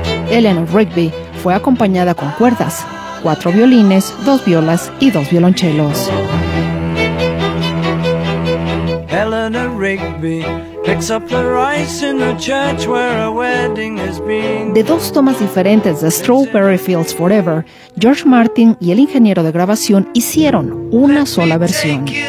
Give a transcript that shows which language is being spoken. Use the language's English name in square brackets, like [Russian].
[Spanish] Eleanor Rigby fue acompañada con cuerdas, cuatro violines, dos violas y dos violonchelos. [English] Eleanor Rigby picks up the rice in the church where a wedding is being. [Spanish] De dos tomas diferentes de Strawberry Fields Forever, George Martin y el ingeniero de grabación hicieron una sola versión.